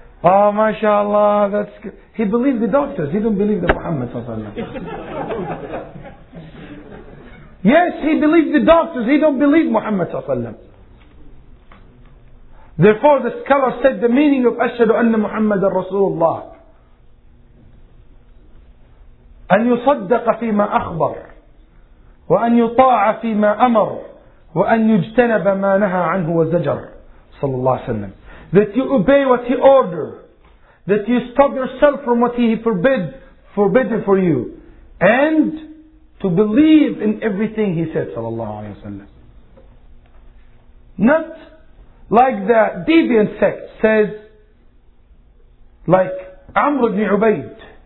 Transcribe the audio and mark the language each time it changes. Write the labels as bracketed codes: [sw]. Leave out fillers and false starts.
[en] Oh, mashallah, that's good. He believed the doctors. He didn't believe the Muhammad sallallahu Yes, he believed the doctors. He don't believe Muhammad sallallahu. Therefore, the scholar said the meaning of Ashhadu anna Muhammad al-Rasulullah. [ar] أن يصدق فيما أخبر وأن يطاع فيما أمر وأن يجتنب ما نهى عنه وزجر صلى الله عليه وسلم. [en] That you obey what he ordered, that you stop yourself from what he forbidden for you, and to believe in everything he said صلى الله عليه وسلم. Not like the deviant sect says, like Amr ibn Ubayd.